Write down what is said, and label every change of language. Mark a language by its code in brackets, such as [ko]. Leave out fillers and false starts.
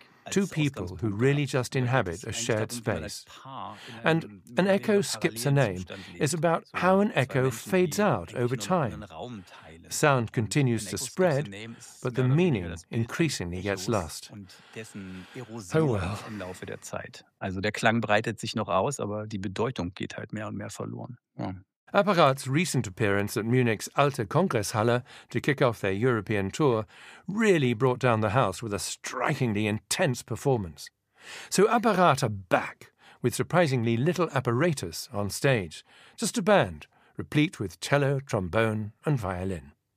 [en] Two people who really just inhabit a shared space. And An Echo Skips a Name is about how an echo fades out over time. Sound continues to spread, but the meaning increasingly gets lost. Oh well. [de] Also der Klang breitet sich noch aus, aber die Bedeutung geht halt mehr und mehr verloren. [en] Apparat's recent appearance at Munich's Alte Kongresshalle to kick off their European tour really brought down the house with a strikingly intense performance. So Apparat are back, with surprisingly little apparatus on stage, just a band, replete with cello, trombone and violin.